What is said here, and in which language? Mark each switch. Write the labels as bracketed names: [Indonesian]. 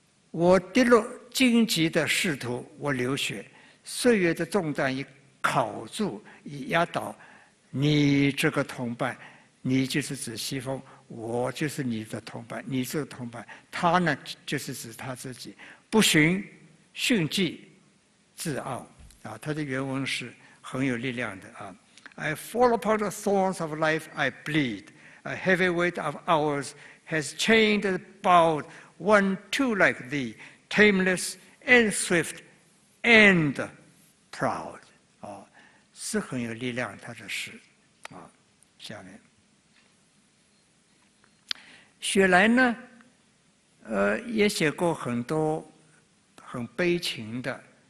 [Chinese] 我跌落荆棘的仕途，我流血，岁月的重担已铐住，已压倒你这个同伴。你就是指西风，我就是你的同伴。你这个同伴，他呢就是指他自己，不循训迹，自傲。” 啊，他的原文是很有力量的啊。 [English] I fall upon the thorns of life, I bleed. A heavy weight of hours has chained and bowed one too like thee, tameless and swift and proud. [Chinese] 啊，是很有力量，他的诗啊。下面，雪莱呢，也写过很多很悲情的。